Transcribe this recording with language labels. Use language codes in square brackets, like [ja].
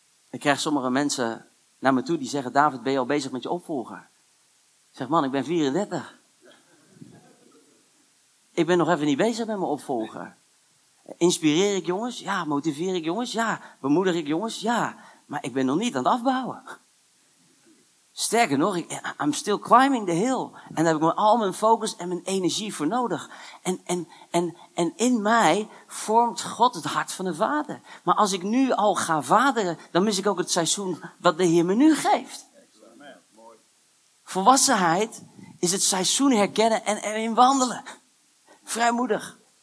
[nl] Ik krijg sommige mensen naar me toe die zeggen, David, ben je al bezig met je opvolger? Ik zeg, man, ik ben 34. Ik ben nog even niet bezig met mijn opvolger. Inspireer ik jongens? Ja. Motiveer ik jongens? Ja. Bemoedig ik jongens? Ja. Maar ik ben nog niet aan het afbouwen. Sterker nog, [en] I'm still climbing the hill. [nl] En daar heb ik al mijn focus en mijn energie voor nodig. En in mij vormt God het hart van de Vader. Maar als ik nu al ga vaderen, dan mis ik ook het seizoen wat de Heer me nu geeft. Volwassenheid is het seizoen herkennen en erin wandelen. Vrijmoedig.